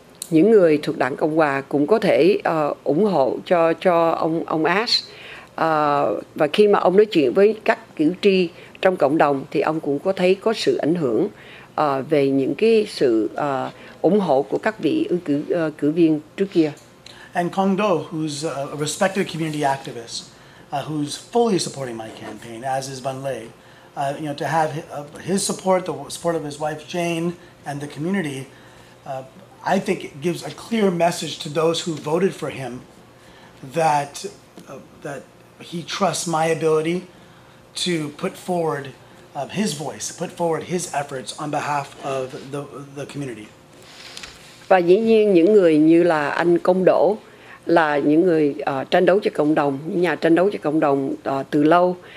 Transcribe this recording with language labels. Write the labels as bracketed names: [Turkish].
[Vietnamese] những người thuộc Đảng Cộng Hòa cũng có thể ủng hộ cho ông Ash, và khi mà ông nói chuyện với các cử tri trong cộng đồng thì ông cũng có thấy có sự ảnh hưởng về những cái sự ủng hộ của các vị cử viên trước kia. [English] And Kong Do, who's a respected community activist, who's fully supporting my campaign, as is Van Le, you know, to have his support, the support of his wife Jane, and the community, I think it gives a clear message to those who voted for him that that he trusts my ability to put forward his voice, put forward his efforts on behalf of the community. [Vietnamese] Và dĩ nhiên những người như là anh Công Đỗ, là những người tranh đấu cho cộng đồng, những nhà tranh đấu cho cộng đồng từ lâu,